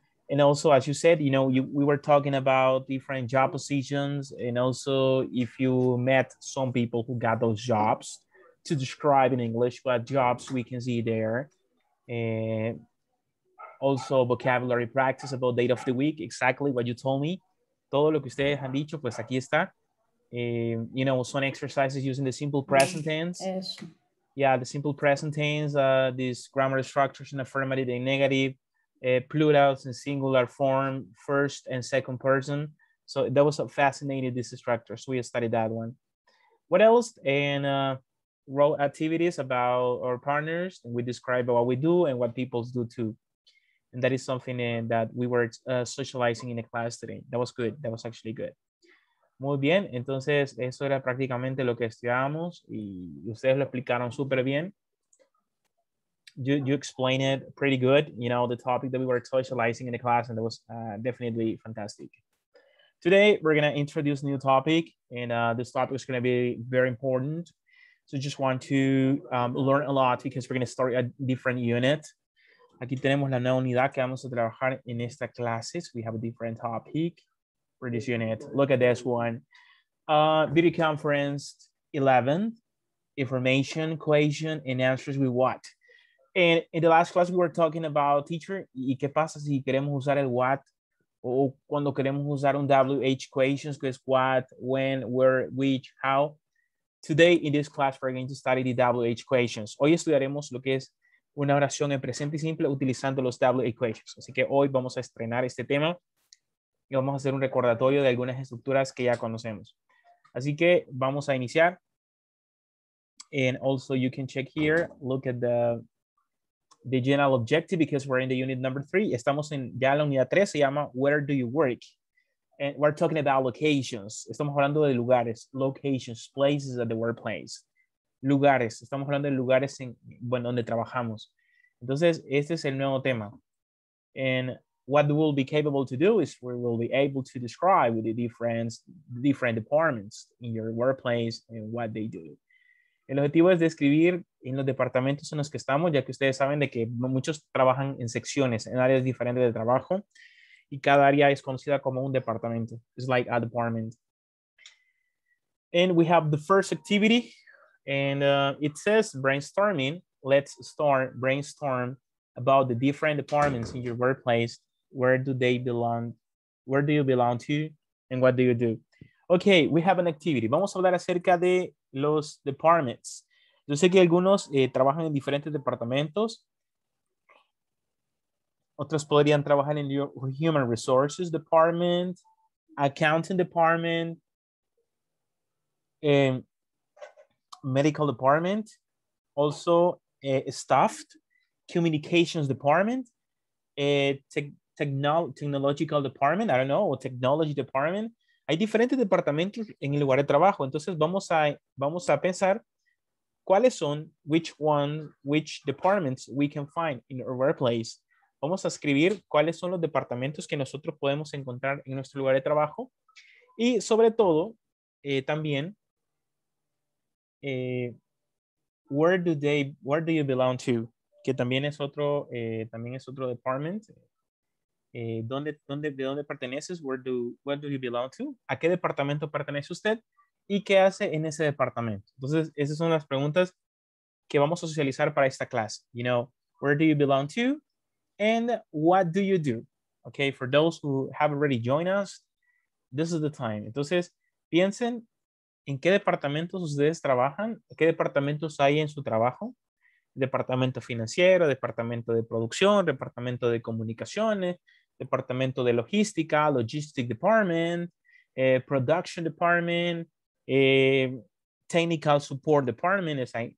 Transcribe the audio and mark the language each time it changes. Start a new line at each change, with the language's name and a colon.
English: And also, as you said, you know, we were talking about different job positions. And also if you met some people who got those jobs, to describe in English what jobs we can see there. And also vocabulary practice about date of the week, exactly what you told me.
Spanish: Todo lo que ustedes han dicho, pues aquí está.
English: You know, some exercises using the simple present tense. Yeah, the simple present tense, these grammar structures in affirmative and negative, plurals in singular form, first and second person. So that was a fascinating, this structure. So we studied that one. What else? And role activities about our partners. And we describe what we do and what people do too. And that is something that we were socializing in the class today. That was good. That was actually good.
Spanish: Muy bien. Entonces, eso era prácticamente lo que estudiamos. Y ustedes lo explicaron súper bien.
English: You explained it pretty good, you know, the topic that we were socializing in the class. And that was definitely fantastic. Today, we're going to introduce a new topic. And this topic is going to be very important. So just want to learn a lot, because we're going to start a different unit.
Spanish: Aquí tenemos la nueva unidad que vamos a trabajar en esta clase.
English: We have a different topic for this unit. Look at this one. Video conference 11, information, question, and answers with what. And in the last class, we were talking about teacher.
Spanish: ¿Y qué pasa si queremos usar el what? O cuando queremos usar un WH questions, que es
English: what, when, where, which, how. Today, in this class, we're going to study the WH questions.
Spanish: Hoy estudiaremos lo que es una oración en presente y simple utilizando los W equations. Así que hoy vamos a estrenar este tema y vamos a hacer un recordatorio de algunas estructuras que ya conocemos. Así que vamos a iniciar.
English: And also you can check here, look at the general objective because we're in the unit number 3.
Spanish: Estamos en ya la unidad 3, se llama Where Do You Work?
English: And we're talking about locations.
Spanish: Estamos hablando de lugares, locations, places at the workplace. Lugares, estamos hablando de lugares en, bueno, donde trabajamos. Entonces, este es el nuevo tema.
English: And what we'll be capable to do is we will be able to describe the different departments in your workplace and what they do.
Spanish: El objetivo es describir en los departamentos en los que estamos, ya que ustedes saben de que muchos trabajan en secciones, en áreas diferentes de trabajo, y cada área es conocida como un departamento.
English: It's like a department. And we have the first activity, and it says brainstorming. Let's start brainstorm about the different departments in your workplace. Where do they belong? Where do you belong to? And what do you do? Okay, we have an activity.
Spanish: Vamos a hablar acerca de los departments. Yo sé que algunos trabajan en diferentes departamentos. Otros podrían trabajar en
English: your human resources department, accounting department, medical department, also staffed, communications department, technological department, I don't know, or technology department.
Spanish: Hay diferentes departamentos en el lugar de trabajo. Entonces vamos a pensar cuáles son,
English: which departments we can find in our workplace.
Spanish: Vamos a escribir cuáles son los departamentos que nosotros podemos encontrar en nuestro lugar de trabajo. Y sobre todo, también,
English: where do you belong to?
Spanish: Que también es otro department. ¿De dónde perteneces?
English: Where do you belong to?
Spanish: ¿A qué departamento pertenece usted? ¿Y qué hace en ese departamento? Entonces, esas son las preguntas que vamos a socializar para esta clase.
English: You know, where do you belong to? And what do you do? Okay, for those who have already joined us, this is the time.
Spanish: Entonces, piensen en qué departamentos ustedes trabajan, qué departamentos hay en su trabajo. Departamento financiero, departamento de producción, departamento de comunicaciones, departamento de logística,
English: logistic department, production department, technical support department.
Spanish: Es ahí.